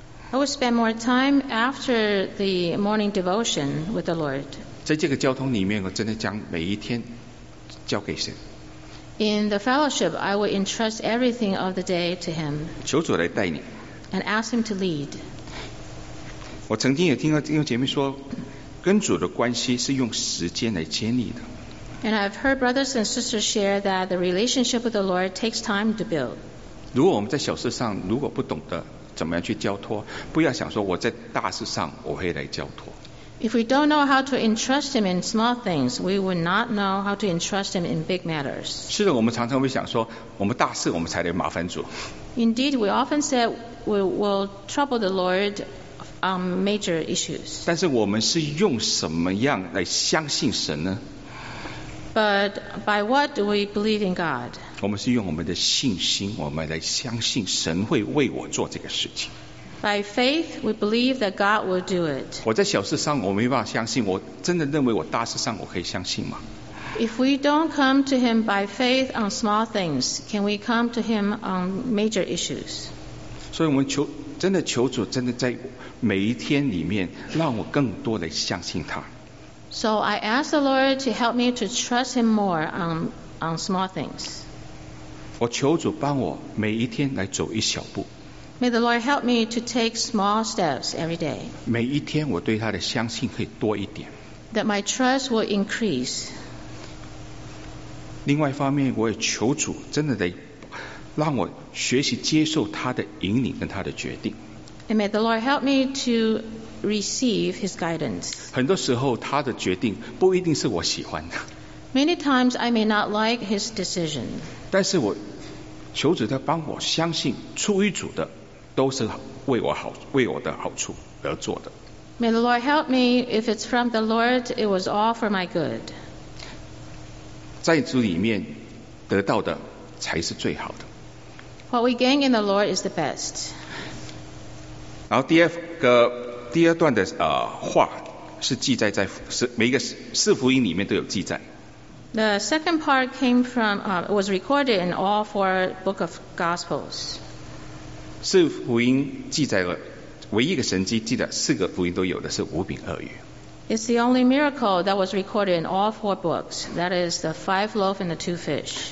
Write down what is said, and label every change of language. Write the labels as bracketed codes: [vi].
[en] I will spend more time after the morning devotion with the Lord. [zh] 在这个交通里面，我真的将每一天交给神。 [en] In the fellowship, I will entrust everything of the day to him. [zh] 求主来带你。 [en] And ask him to lead. [zh] 我曾经也听到弟兄姐妹说，跟主的关系是用时间来建立的。 [en] And I've heard brothers and sisters share that the relationship with the Lord takes time to build. [zh] 如果我们在小事上如果不懂得怎么样去交托，不要想说我在大事上我会来交托。 [en] If we don't know how to entrust him in small things, we will not know how to entrust him in big matters. [zh] 是的，我们常常会想说，我们大事我们才得麻烦主。 [en] Indeed, we often say we will trouble the Lord on major issues. [zh] 但是我们是用什么样来相信神呢？ [en] But by what do we believe in God? [zh] 我们是用我们的信心，我们来相信神会为我做这个事情。 [en] By faith, we believe that God will do it. [zh] 我在小事上我没办法相信，我真的认为我大事上我可以相信吗？ [en] If we don't come to Him by faith on small things, can we come to Him on major issues? [zh] 所以我们求真的求主真的在每一天里面让我更多的相信他。 [en] So I ask the Lord to help me to trust Him more on small things. [zh] 我求主帮我每一天来走一小步。 [en] May the Lord help me to take small steps every day. [zh] 每一天我对他的相信可以多一点。 [en] That my trust will increase. [zh] 另外一方面，我也求主真的得让我学习接受他的引领跟他的决定。 [en] And may the Lord help me to receive His guidance. [zh] 很多时候他的决定不一定是我喜欢的。 [en] Many times I may not like His decision. [zh] 但是我求主在帮我相信出于主的都是为我好，为我的好处而做的。 [en] May the Lord help me. If it's from the Lord, it was all for my good. [zh] 在主里面得到的才是最好的。 [en] What we gain in the Lord is the best. [zh] 然后第二段的话是记载在每一个四福音里面都有记载。 [en] The second part came from was recorded in all four book of Gospels. [zh] 四福音记载了唯一的神迹，记载四个福音都有的是五饼二鱼。 [en] It's the only miracle that was recorded in all four books. That is the five loaves and the two fish.